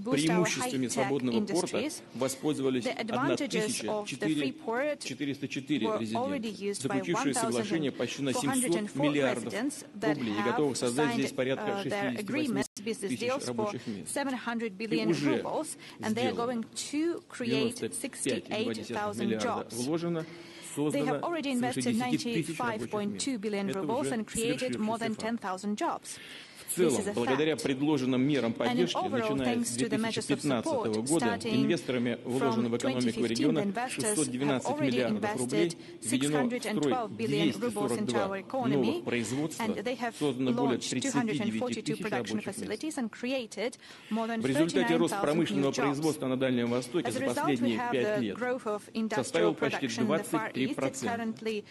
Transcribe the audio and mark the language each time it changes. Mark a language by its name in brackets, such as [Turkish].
[Russian] Преимуществами свободного порта воспользовались 1404 резидента, заключившие соглашение почти на 700 миллиардов рублей и готовых создать здесь порядка 68 тысяч рабочих мест. И уже сделано 95,2 миллиарда вложено [English] They have already invested 95.2 billion rubles and created more than 10,000 jobs. [Russian] В целом, благодаря предложенным мерам поддержки, начиная с 2015 года, инвесторами вложено в экономику региона 612 миллиардов рублей, введено в строй 242 новых производств, создано более 39 рабочих мест. В результате рост промышленного производства на Дальнем Востоке за последние 5 лет составил почти 23%.